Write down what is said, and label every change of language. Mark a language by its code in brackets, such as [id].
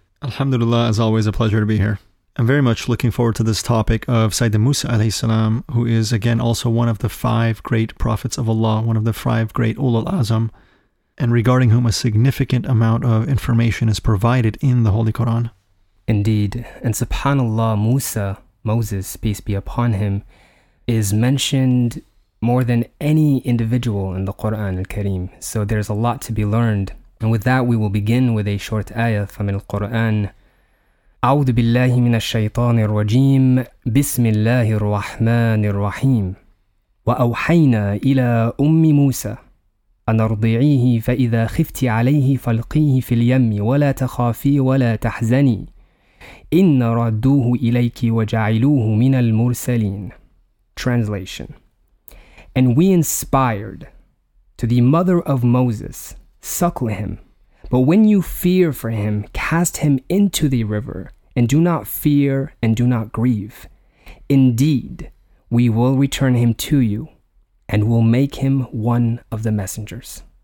[en] Alhamdulillah, as always, a pleasure to be here. I'm very much looking forward to this topic of Sayyidina Musa alayhi salam, who is, again, also one of the 5 great prophets of Allah, one of the 5 great Ulul Azam, and regarding whom a significant amount of information is provided in the Holy Quran. Indeed. And subhanAllah, Musa, Moses, peace be upon him, is mentioned more than any individual in the Qur'an al-Kareem. So there's a lot to be learned. And with that, we will begin with a short ayah from al-Qur'an. [ar] أعوذ بالله من الشيطان الرجيم بسم الله الرحمن الرحيم وأوحينا إلى أم موسى أن ارضعيه فإذا خفت عليه فالقيه في اليم ولا تخافي ولا تحزني إن ردوه إليك وجعلوه من المرسلين. [en] Translation. And we inspired to the mother of Moses, suckle him. But when you fear for him, cast him into the river, and do not fear and do not grieve. Indeed, we will return him to you, and will make him one of the messengers.